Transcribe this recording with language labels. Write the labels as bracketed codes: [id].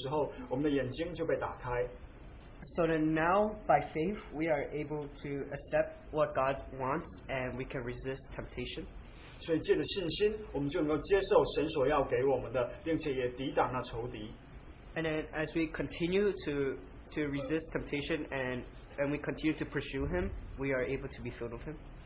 [zh] 所以当耶稣在十字架上为我们而死的时候，我们的眼睛就被打开。 [en] So then now, by faith, we are able to accept what God wants and we can resist temptation. [zh] 所以借着信心，我们就能够接受神所要给我们的，并且也抵挡那仇敌。 [en] And then as we continue to resist temptation and we continue to pursue Him, we are able to be filled with Him.